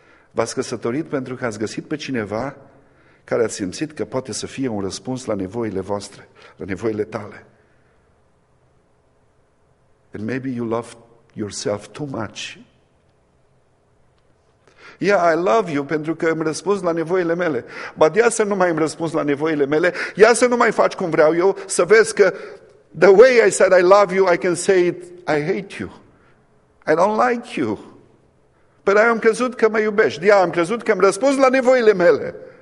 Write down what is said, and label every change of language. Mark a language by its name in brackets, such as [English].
[Romanian] V-ați căsătorit pentru că ați găsit pe cineva care a simțit că poate să fie un răspuns la nevoile voastre, la nevoile tale. [English] And maybe you love yourself too much. Yeah, I love you [Romanian] pentru că îmi răspuns la nevoile mele. But ia să nu mai îmi răspuns la nevoile mele, ia să nu mai faci cum vreau eu, să vezi că [English] the way I said I love you, I can say it, I hate you. I don't like you. [Romanian] Păi am crezut că mă iubești. Ia, am crezut că am răspuns la nevoile mele.